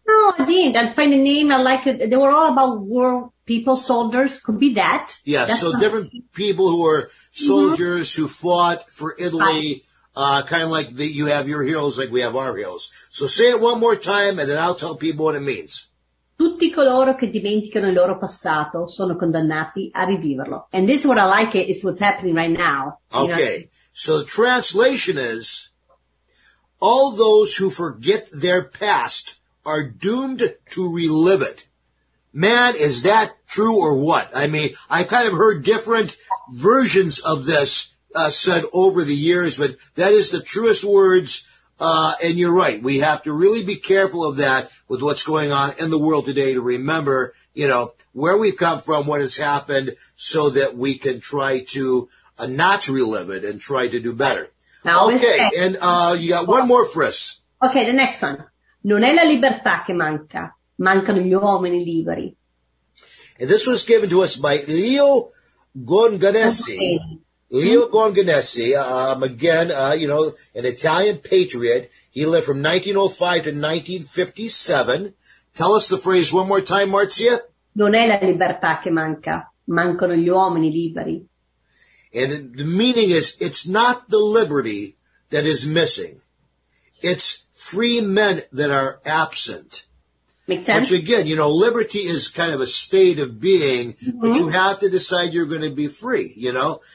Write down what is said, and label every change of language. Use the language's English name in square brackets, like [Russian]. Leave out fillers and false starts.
[English] No, I didn't. I find the name, I like it. They were all about war people, soldiers, could be that. Yeah, that's so different people who were soldiers who fought for Italy, kind of like you have your heroes like we have our heroes. So say it one more time, and then I'll tell people what it means. [Italian] Tutti coloro che dimenticano il loro passato sono condannati a riviverlo. [English] And this is what I like, it's what's happening right now. Okay, so the translation is, All those who forget their past are doomed to relive it. Man, is that true or what? I mean, I kind of heard different versions of this said over the years, but that is the truest words, and you're right. We have to really be careful of that with what's going on in the world today to remember, you know, where we've come from, what has happened, so that we can try to not relive it and try to do better. Okay, and you got one more for us. Okay, the next one. [Italian] Non è la libertà che manca, mancano gli uomini liberi. [English] And this was given to us by Leo Gonganessi. Okay. Leo Gonganessi, again, you know, an Italian patriot. He lived from 1905 to 1957. Tell us the phrase one more time, Marzia. [Italian] Non è la libertà che manca, mancano gli uomini liberi. [English] And the meaning is, it's not the liberty that is missing. It's free men that are absent. Makes sense. Which again, you know, liberty is kind of a state of being, but you have to decide you're going to be free, you know?